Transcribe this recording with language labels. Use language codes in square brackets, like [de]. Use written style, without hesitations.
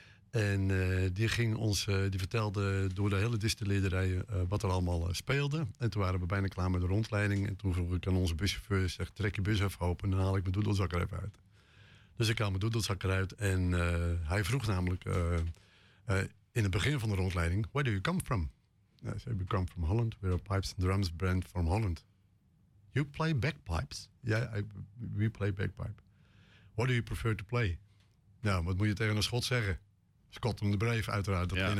[nl] En die vertelde door de hele distillerij wat er allemaal speelde. En toen waren we bijna klaar met de rondleiding. En toen vroeg ik aan onze buschauffeur, zeg, trek je bus even open en dan haal ik mijn doedelzak er even uit. Dus ik haal mijn doedelzak eruit en hij vroeg namelijk in het begin van de rondleiding, [en] where do you come from? Ja, so we come from Holland. We're a pipes and drums brand from Holland. You play bagpipes? Yeah, we play bagpipe. What do you prefer to play? [nl] Nou, wat moet je tegen een Schot zeggen? Scotland the Brave uiteraard.